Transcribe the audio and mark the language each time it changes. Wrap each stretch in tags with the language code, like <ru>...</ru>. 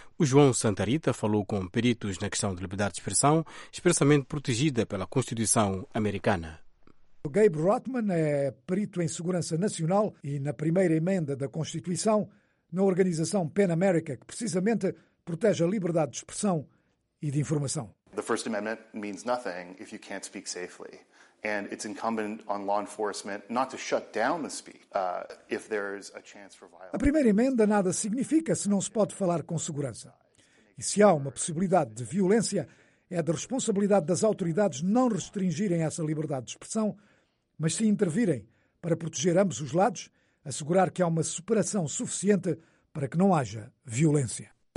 <pt>O João Santa Rita falou com peritos na questão da liberdade de expressão, expressamente protegida pela Constituição americana. Gabe Rotman é perito em segurança nacional e na primeira emenda da Constituição, na organização PEN America, que precisamente protege a liberdade de expressão e de informação.</pt> <en>The First Amendment means nothing if you can't speak safely. And it's incumbent on law enforcement not to shut down the speech if there is a chance for violence.</en> <pt>A primeira emenda nada significa se não se pode falar com segurança. E se há uma possibilidade de violência, é de responsabilidade das autoridades não restringirem essa liberdade de expressão, mas sim intervirem para proteger ambos os lados, assegurar que há uma separação suficiente para que não haja violência.</pt>